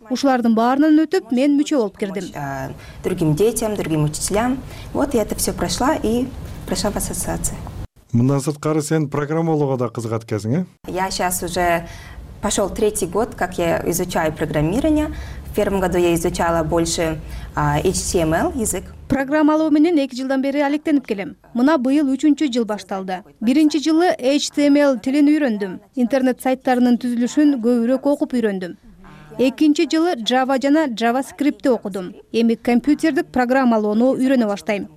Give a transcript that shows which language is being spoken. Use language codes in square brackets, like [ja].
[ky] Ушулардын баарынан өтүп, мен мүчө болуп кирдим. [ru] Другим детям, другим учителям. Вот я это все прошла и прошла в ассоциации. [ky] Мындан сырткары сен программалоого да кызыгат экенсиң, э? [ru] Я сейчас уже пошел 3-й год, как я изучаю программирование. В первом году я изучала больше HTML язык. [ky] Программалоо менен 2 жылдан бери алектенип келем. Мына быйыл 3-жыл башталды. 1-жылы HTML тилин үйрөндүм. Интернет сайттарынын түзүлүшүн көбүрөөк окуп үйрөндүм. 2-жылы Java жана JavaScript окудум. Эми компьютердик программалоону үйрөнө баштайм.